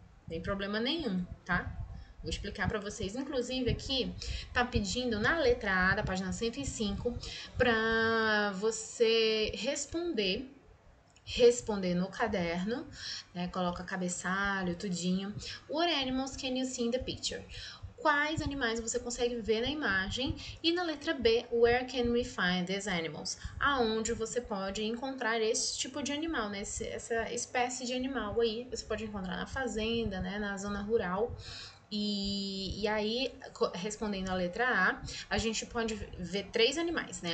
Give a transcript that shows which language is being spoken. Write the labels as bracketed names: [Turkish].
[Portuguese] Tem problema nenhum, tá? Vou explicar para vocês. Inclusive aqui tá pedindo na letra A da página 105 para você responder no caderno, né? Coloca cabeçalho, tudinho. [English] What animals can you see in the picture? [Portuguese] Quais animais você consegue ver na imagem? E na letra B, [English] where can we find these animals? [Portuguese] Aonde você pode encontrar esse tipo de animal, né? Essa espécie de animal aí, você pode encontrar na fazenda, né? Na zona rural. E aí, respondendo a letra A, a gente pode ver três animais, né?